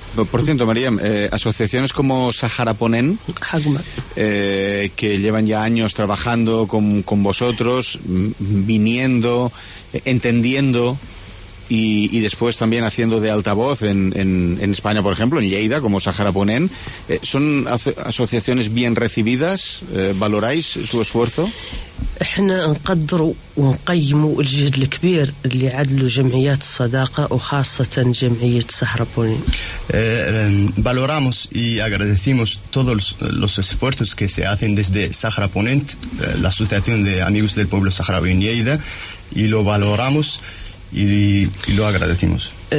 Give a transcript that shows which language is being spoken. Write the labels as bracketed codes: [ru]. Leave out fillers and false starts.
[es] Por cierto, Mariam, asociaciones como Sahara Ponen, que llevan ya años trabajando con vosotros, viniendo, entendiendo y después también haciendo de altavoz en España, por ejemplo, en Lleida, como Sahara Ponen, ¿son asociaciones bien recibidas? ¿Valoráis su esfuerzo? [ar] احنا نقدروا ونقيموا الجهد الكبير اللي عدلوا جمعيات الصداقة وخاصة جمعية الصحراء بونين. [es] Valoramos y agradecemos todos los esfuerzos que se hacen desde Sahara Ponent, la Asociación de Amigos del Pueblo Saharaui en Lleida, y lo valoramos y lo agradecemos.